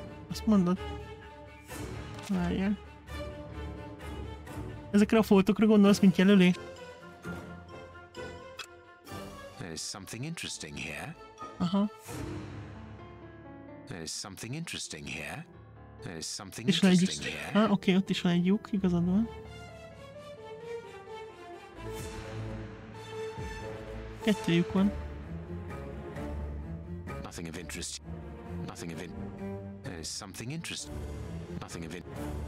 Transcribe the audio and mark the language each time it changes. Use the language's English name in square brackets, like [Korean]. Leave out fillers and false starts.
[Hungarian] Azt mondod? Várjál. Ezekre a foltokra gondolsz, mint jelölé? [English] There is something interesting here. Aha. There is something interesting here. [Hungarian] És van egy lyuk. Oké, ott is van egy lyuk, igazad van. Kettő lyuk van. [English] Nothing of interest. Nothing of interest. There is something interest. Nothing of interest.